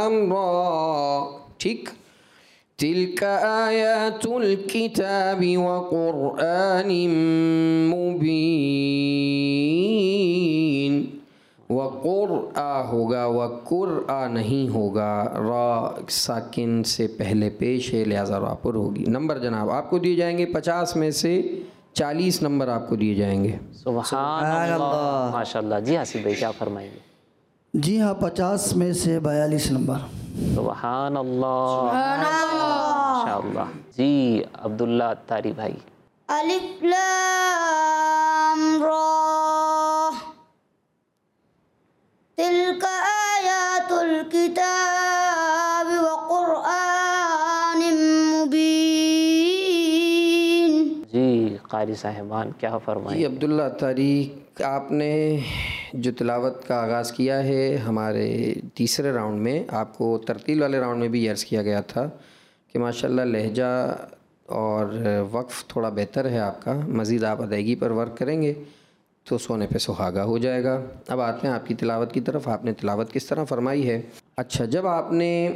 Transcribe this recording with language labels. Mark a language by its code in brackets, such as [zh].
[ur] را، ٹھیک، [ar] تلک آیات الکتاب وقرآن مبین، [ur] وقرآ ہوگا وقرآ نہیں ہوگا، را ساکن سے پہلے پیش ہے لہذا را پر ہوگی۔ نمبر جناب آپ کو دیے جائیں گے 50 میں سے 40 نمبر آپ کو دیے جائیں گے۔ سبحان اللہ ماشاء اللہ، جی آصف بھائی کیا فرمائیں گے؟ جی ہاں 50 میں سے 42 نمبر۔ سبحان اللہ سبحان اللہ ماشاء اللہ، جی عبداللہ اتاری بھائی، [ar] الف لام را، تلك آيات الكتاب وقرآن مبين۔ [ur] جی قاری صاحبان کیا فرمائیں؟ جی عبداللہ تاریخ، آپ نے جو تلاوت کا آغاز کیا ہے ہمارے 3rd راؤنڈ میں، آپ کو ترتیل والے راؤنڈ میں بھی عرض کیا گیا تھا کہ ماشاءاللہ لہجہ اور وقف تھوڑا بہتر ہے آپ کا، مزید آپ ادائیگی پر ورک کریں گے تو سونے پہ سہاگا ہو جائے گا۔ اب آتے ہیں آپ کی تلاوت کی طرف، آپ نے تلاوت کس طرح فرمائی ہے؟ اچھا، جب آپ نے